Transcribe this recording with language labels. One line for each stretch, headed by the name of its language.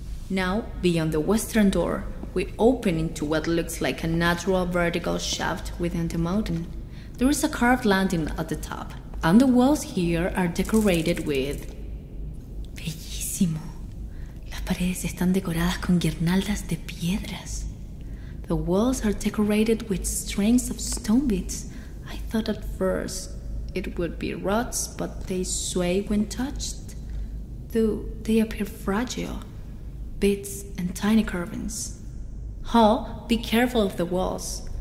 English: Now, beyond the western door, we open into what looks like a natural vertical shaft within the mountain. There is a carved landing at the top, and the walls here are decorated with...
Spanish: Bellísimo. Las paredes están decoradas con guirnaldas de piedras.
English: The walls are decorated with strings of stone beads. I thought at first it would be rods, but they sway when touched. Though they appear fragile. Beads and tiny carvings. Hall, be careful of the walls.